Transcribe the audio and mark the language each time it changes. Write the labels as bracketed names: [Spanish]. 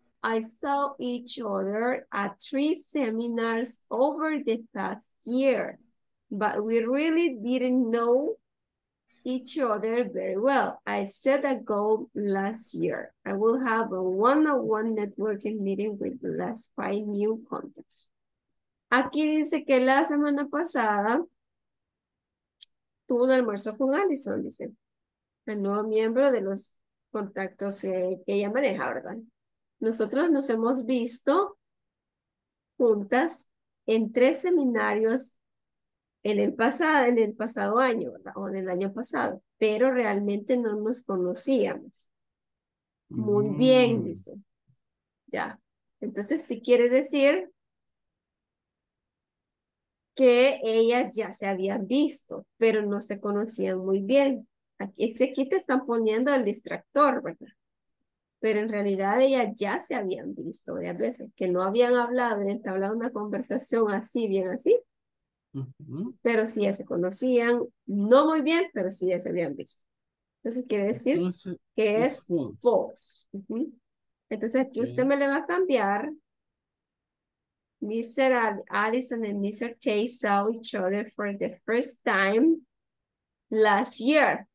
[English] I saw each other at 3 seminars over the past year, but we really didn't know each other very well. I set a goal last year. I will have a one-on-one networking meeting with the last 5 new contacts. [Spanish] Aquí dice que la semana pasada tuvo un almuerzo con Allison, dice. El nuevo miembro de los contactos que ella maneja, ¿verdad? Nosotros nos hemos visto juntas en 3 seminarios en el pasado año, ¿verdad? O en el año pasado. Pero realmente no nos conocíamos. Muy bien, dice. Ya. Entonces, si quiere decir que ellas ya se habían visto, pero no se conocían muy bien. Aquí te están poniendo el distractor, ¿verdad? Pero en realidad ellas ya se habían visto varias veces, que no habían hablado, entablado una conversación así, bien así. Pero sí ya se conocían, no muy bien, pero sí ya se habían visto. Entonces quiere decir que es false. Entonces aquí usted me le va a cambiar. [English] Mr. Allison and Mr. Tay saw each other for the first time last year.